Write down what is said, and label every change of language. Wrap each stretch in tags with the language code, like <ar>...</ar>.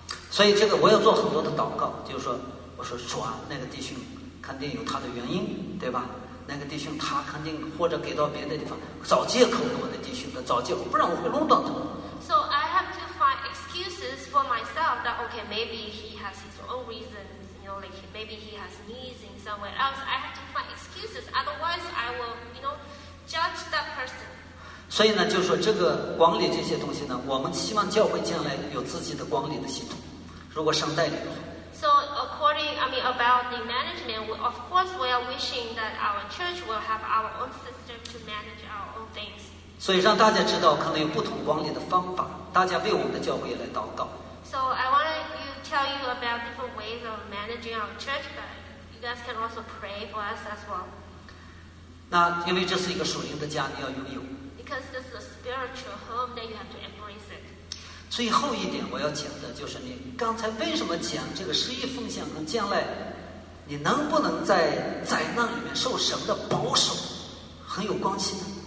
<zh>所以这个我要做很多的祷告，就是说，我说主啊，那个弟兄肯定有他的原因，对吧？那个弟兄他肯定或者给到别的地方找借口给我的弟兄的找借口，不然我会弄断他。</zh> <en>So I have to find excuses for myself that okay, maybe he has his own reasons. You know, like maybe he has needs in somewhere else. I have to find excuses. Otherwise, I will, you know, judge that person.</en> <zh>所以呢，就是说这个管理这些东西呢，我们希望教会将来有自己的管理的系统。如果神带领的话。</zh> <en>So according, I mean, about the management, of course, we are wishing that our church will have our own system to manage our own things.</en> <zh>所以让大家知道，可能有不同管理的方法。大家为我们的教会来祷告。</zh> <en>So I want to tell you about different ways of managing our church, but you guys can also pray for us as well.</en> <zh>那因为这是一个属灵的家，你要拥有。</zh> <en>Because this is a spiritual home, then you have to embrace it.</en> <zh>最后一点我要讲的就是，你刚才为什么讲这个十一奉献和将来你能不能在灾难里面受神的保守，很有关系呢。</zh>